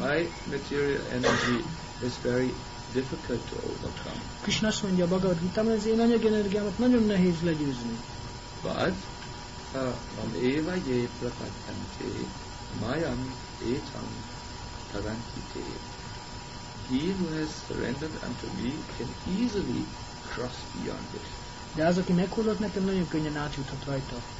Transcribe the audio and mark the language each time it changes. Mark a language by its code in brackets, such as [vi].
[en] My material energy is very difficult to overcome. [hu] Krishna azt mondja a Bhagavad Gita, hogy az én anyagi energiámat nagyon nehéz legyőzni. [sa] But, Mam Eva Ye Prapatyante Mayam Etam Tarantite. [en] He who has surrendered unto me can easily cross beyond it. [hu] De az, aki meghullott nekem, nagyon könnyen átjuthat rajta.